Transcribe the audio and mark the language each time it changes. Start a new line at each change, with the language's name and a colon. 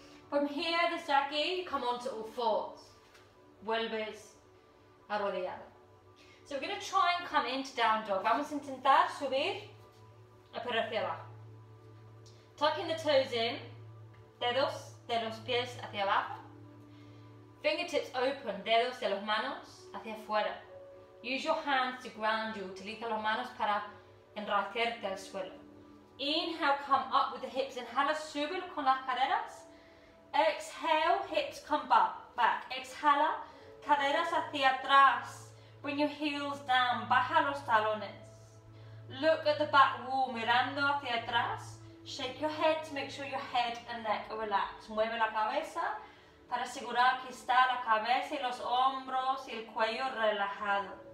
English: From here, the saki, come onto all fours.
Spanish: Vuelves arrodillado.
English: So we're going to try and come into down dog.
Spanish: Vamos a intentar subir a por hacia abajo.
English: Tucking the toes in,
Spanish: dedos de los pies hacia abajo.
English: Fingertips open,
Spanish: dedos de las manos hacia afuera.
English: Use your hands to ground you.
Spanish: Utiliza las manos para enraizarte al suelo.
English: Inhale, come up with the hips.
Spanish: Inhala, sube con las caderas.
English: Exhale, hips come back.
Spanish: Exhala, caderas hacia atrás.
English: Bring your heels down,
Spanish: baja los talones.
English: Look at the back wall,
Spanish: mirando hacia atrás.
English: Shake your head to make sure your head and neck are relaxed.
Spanish: Mueve la cabeza para asegurar que está la cabeza y los hombros y el cuello relajado.